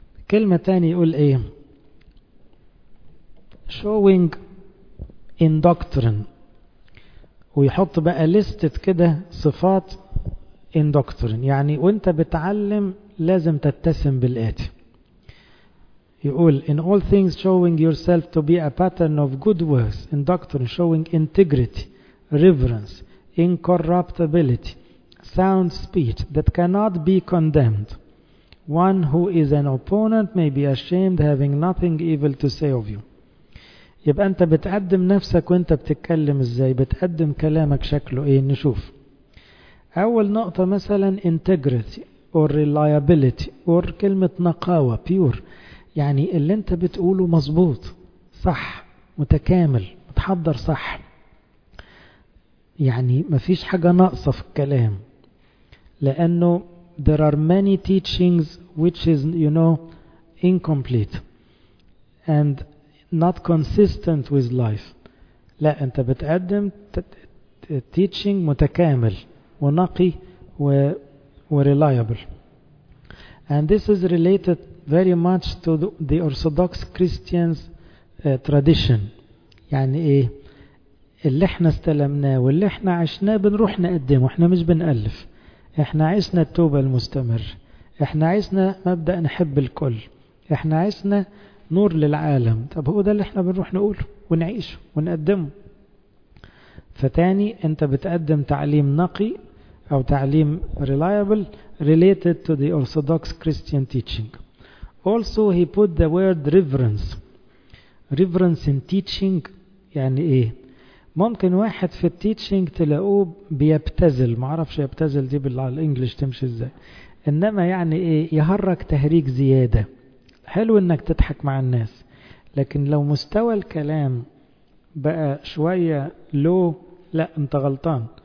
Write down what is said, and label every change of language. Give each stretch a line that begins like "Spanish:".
Arabic: كلمة تاني يقول ايه؟
English: Showing in doctrine.
Arabic: ويحط بقى لستة كده صفات
English: in doctrine.
Arabic: يعني وانت بتعلم لازم تتسم بالآتي. يقول
English: in all things showing yourself to be a pattern of good works. In doctrine showing integrity, reverence, incorruptibility, sound speech that cannot be condemned. One who is an opponent may be ashamed, having nothing evil to say of you.
Arabic: يبقى انت بتقدم نفسك وانت بتتكلم ازاي؟ بتقدم كلامك شكله ايه؟ نشوف. اول نقطة مثلا
English: integrity or reliability or
Arabic: كلمة نقاوة pure، يعني اللي انت بتقوله مظبوط، صح، متكامل، متحضر صح، يعني مفيش حاجة ناقصة في الكلام. لانه
English: there are many teachings which is you know incomplete and not consistent with life.
Arabic: لا، انت بتقدم teaching متكامل ونقي وreliable.
English: And this is related very much to the Orthodox Christians tradition.
Arabic: يعني ايه؟ اللي احنا استلمناه واللي احنا عشناه بنروح نقدمه، احنا مش بنألف. احنا عايزنا التوبة المستمر، احنا عايزنا مبدأ نحب الكل، احنا عايزنا نور للعالم. طب هو ده اللي احنا بنروح نقوله ونعيشه ونقدمه. فتاني انت بتقدم تعليم نقي او تعليم reliable
English: related to the Orthodox Christian teaching. Also he put the word reverence. Reverence in teaching
Arabic: يعني ايه؟ ممكن واحد في التيتشنج تلاقوه بيبتزل، معرفش يبتزل دي بالانجلش تمشي ازاي، انما يعني ايه يهرج تهريج زيادة. حلو انك تضحك مع الناس، لكن لو مستوى الكلام بقى شوية لو، لا انت غلطان.